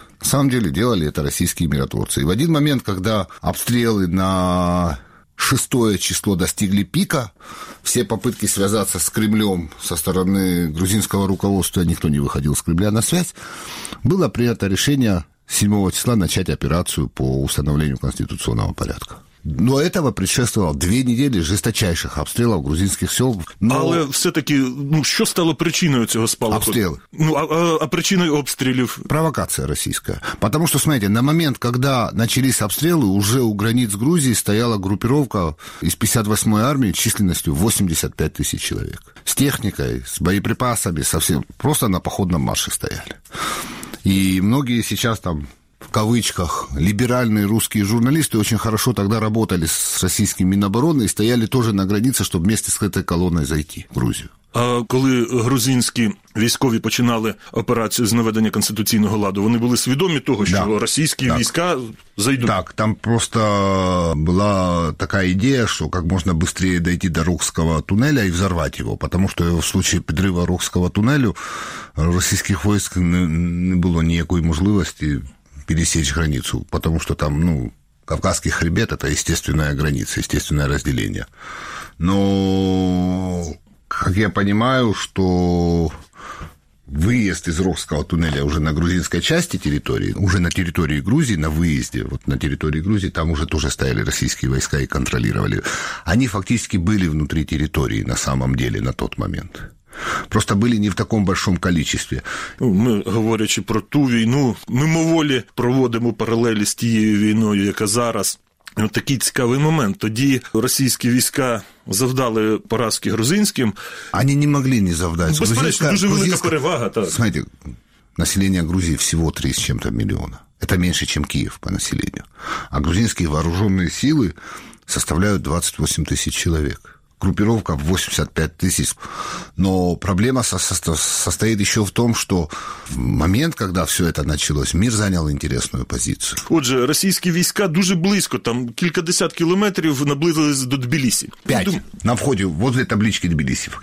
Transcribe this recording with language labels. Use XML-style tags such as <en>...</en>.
<ru>На самом деле делали это российские миротворцы. И в один момент, когда обстрелы на 6 число достигли пика, все попытки связаться с Кремлем со стороны грузинского руководства, никто не выходил с Кремля на связь, было принято решение 7 числа начать операцию по установлению конституционного порядка. Но этого предшествовало 2 недели жесточайших обстрелов грузинских сел. Но...</ru> <uk>Але все-таки, ну, що стало причиною цього спалаху? Обстрели. Ну, а причиною обстрілів? Провокація російська.</uk> <ru>Потому что, смотрите, на момент, когда начались обстрелы, уже у границ Грузии стояла группировка из 58-й армии численностью 85 тысяч человек. С техникой, с боеприпасами, совсем просто на походном марше стояли. И многие сейчас там... в кавычках, либеральные русские журналисты очень хорошо тогда работали с российским Минобороны и стояли тоже на границе, чтобы вместе с этой колонной зайти в Грузию.</ru> <uk>А коли грузинские військові починали операцію з наведення конституційного ладу, вони були свідомі того, що російські війська зайдуть? Так, там просто була така ідея, що як можна швидше дійти до Рогського тунелю і взорвати його, тому що в випадку підриву Рогського тунелю російських військ не було ніякої можливості</uk> <ru>пересечь границу, потому что там, ну, Кавказский хребет – это естественная граница, естественное разделение. Но, как я понимаю, что выезд из Рохского туннеля уже на грузинской части территории, уже на территории Грузии, на выезде, вот на территории Грузии, там уже тоже стояли российские войска и контролировали. Они фактически были внутри территории на самом деле на тот момент. Просто были не в таком большом количестве.</ru> <uk>Ми, говорячи про ту війну, мимоволі проводимо паралелі з тією війною, яка зараз. От такий цікавий момент. Тоді російські війська завдали поразки грузинським. Вони не могли не завдати. Безперечно, дуже велика перевага. Так. Смотрите, населення Грузії всього 3 з чим-то мільйона. Це менше, ніж Київ по населенню. А грузинські вооружені сили составляють 28 тисяч чоловік.</uk> <ru>Группировка в 85 тысяч. Но проблема состоит еще в том, что в момент, когда все это началось, мир занял интересную позицию.</ru> <uk>Отже,</uk> <ru>российские войска</ru> <uk>дуже близко, там кілька десят кілометрів наблизились до Тбілісі.</uk> <ru>На входе, возле таблички Тбілісі.</ru>